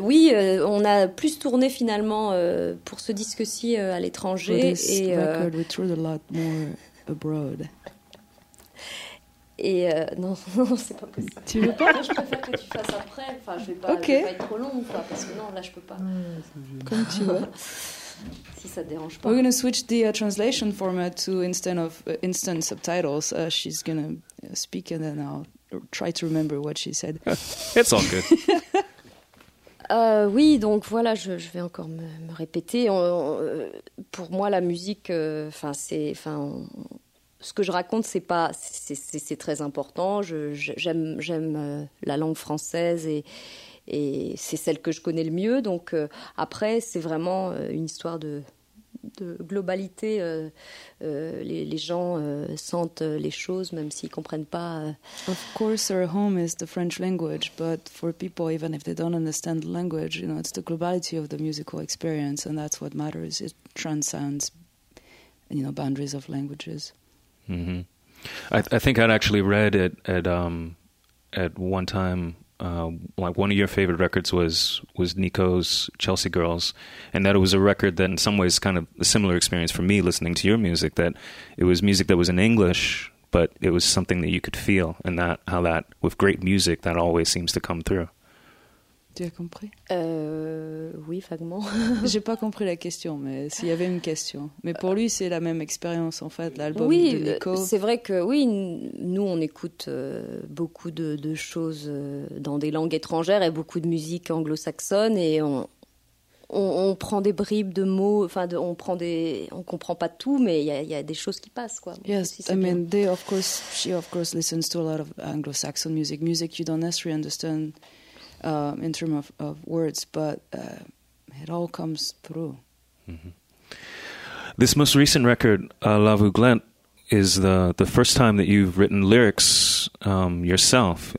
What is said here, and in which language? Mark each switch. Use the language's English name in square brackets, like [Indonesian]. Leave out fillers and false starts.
[French] Oui, on a plus tourné finalement pour ce disque-ci à l'étranger. [English] Record, we toured a lot more abroad. [French] Et non, c'est pas possible. Tu veux pas? Non, je préfère que tu fasses après. Enfin, je vais pas être trop long, quoi, parce que non, là, je peux pas. Comme tu veux. Si ça te dérange pas. [English] We're going to switch the translation format to instant subtitles. She's going to speak and then I'll try to remember what she said. It's all good. [French] Oui, donc voilà, je vais encore me répéter. Pour moi, la musique, ce que je raconte, c'est très important. J'aime la langue française et c'est celle que je connais le mieux. Donc après, c'est vraiment une histoire de globalité. Les gens sentent les choses, même s'ils comprennent pas. [English] Of course, our home is the French language, but for people, even if they don't understand the language, you know, it's the globality of the musical experience, and that's what matters. It transcends, you know, boundaries of languages. Mm-hmm. I think I'd actually read it at one time. Like one of your favorite records was Nico's Chelsea Girls, and that it was a record that in some ways kind of a similar experience for me listening to your music, that it was music that was in English, but it was something that you could feel, and that how that with great music that always seems to come through. [French] Tu as compris? Oui, vaguement. J'ai pas compris la question, mais s'il y avait une question. Mais pour lui, c'est la même expérience, en fait, l'album oui, de Nico. Oui, c'est vrai que, oui, nous, on écoute beaucoup de choses dans des langues étrangères et beaucoup de musique anglo-saxonne, et on prend des bribes de mots, enfin, on comprend pas tout, mais il y a des choses qui passent, quoi. [English] Yes, si I mean, she, of course, listens to a lot of anglo-saxon music, music you don't necessarily understand. In terms of words, but it all comes through. Mm-hmm. This most recent record, La Vue Glent, is the first time that you've written lyrics yourself.